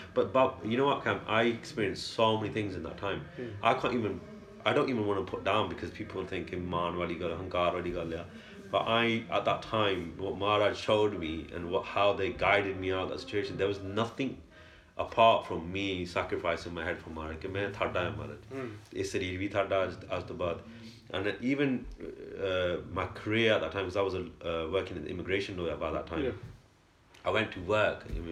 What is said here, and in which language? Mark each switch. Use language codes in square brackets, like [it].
[en] But Bob, you know what, Cam? I experienced so many things in that time. I don't even want to put down, because people are thinking, "Man, what he got, hankar, what he got." But I, at that time, what Maharaj showed me and how they guided me out of that situation, there was nothing apart from me sacrificing my head for Maharaj. [pa] ਕੇ ਮੈਂ ਥੱਡਾ ਹੈ ਮਹਾਰਾਜ। ਇਸ ਸਰੀਰ ਵੀ ਥੱਡਾ ਅੱਜ ਤੋ ਬਾਅਦ। [en] And even my career at that time, because I was working in the immigration lawyer by that time, I went to work.